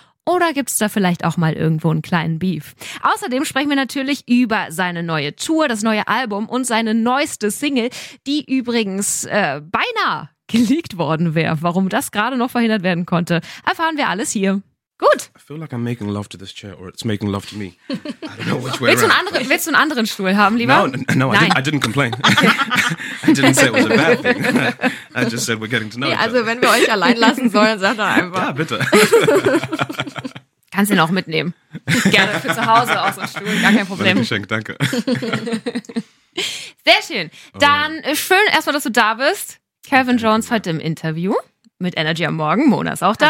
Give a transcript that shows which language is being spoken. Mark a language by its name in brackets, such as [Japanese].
[German] Oder gibt es da vielleicht auch mal irgendwo einen kleinen Beef? Außerdem sprechen wir natürlich über seine neue Tour, das neue Album und seine neueste Single, die übrigens beinahe geleakt worden wäre. Warum das gerade noch verhindert werden konnte, erfahren wir alles hier. Gut. [English] I feel like I'm making love to this chair or it's making love to me. I don't know which way around. [German] Willst du einen anderen Stuhl haben, lieber? [English] No, I didn't complain. Okay. I didn't say it was a bad thing. I just said we're getting to know each other. [German] Also, wenn wir euch allein lassen sollen, sag doch einfach. Ja, bitte. Kannst ihn auch mitnehmen. Gerne für zu Hause auch so einen Stuhl, gar kein Problem. Geschenk, danke. Sehr schön. Dann schön erstmal, dass du da bist. Calvin Jones heute im Interview. Mit Energy am Morgen. Mona ist auch da.